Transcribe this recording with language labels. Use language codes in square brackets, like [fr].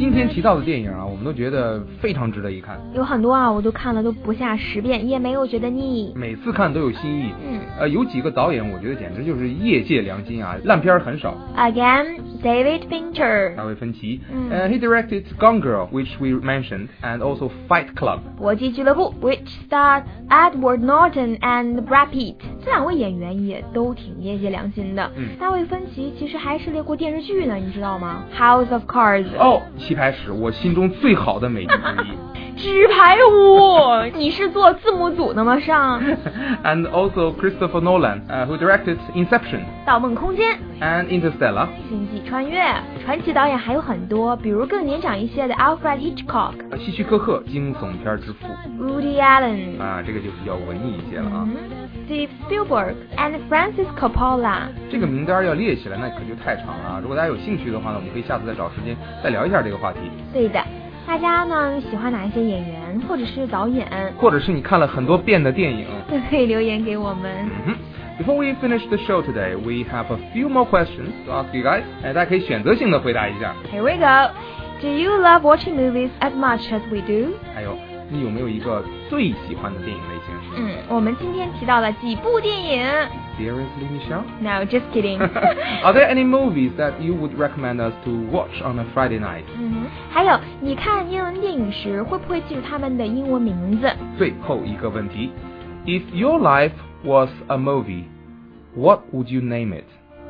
[zh] 提到的电影啊，我们都觉得非常值得一看。有很多啊，我都看了都不下十遍，也没有觉得腻。每次看都有新意。有几个导演，我觉得简直就是业界良心啊，烂片很少。 [en] Again, David Fincher. [zh] 大卫芬奇。 [en] He directed Gone Girl, which we mentioned, and also Fight Club. 搏击俱乐部 ，which stars Edward Norton and Brad Pitt. [zh] 这两位演员也都挺业界良心的。大卫芬奇其实还涉猎过电视剧呢，你知道吗 ？House of Cards. 哦，棋牌室，我心中最好的美剧之一。纸牌屋，你是做字幕组的吗？上。 [en] And also Christopher Nolan, who directed Inception. [zh] 盗梦空间。 [en] And Interstellar. [zh] 星际穿越。传奇导演还有很多，比如更年长一些的 Alfred Hitchcock。希区柯克，惊悚片之父。 [en] Woody Allen。 [zh] 这个就比较文艺一些了啊。 [en] Steve Spielberg and Francis Coppola。 [zh] 这个名单要列起来，那可就太长了。如果大家有兴趣的话呢，我们可以下次再找时间再聊一下这个话题。对的。大家呢喜欢哪一些演员或者是导演，或者是你看了很多遍的电影，都可以留言给我们。 [en] Before we finish the show today, we have a few more questions to ask you guys. [zh] 大家可以选择性的回答一下。 [en] Here we go. Do you love watching movies as much as we do? [zh] 还有自己有没有一个最喜欢的电影类型。嗯，我们今天提到了几部电影。 [en] Seriously, Michelle? No, just kidding. Are there any movies that you would recommend us to watch on a Friday night? [zh] 嗯，还有你看英文电影时会不会记住他们的英文名字。最后一个问题， [en] If your life was a movie, what would you name it?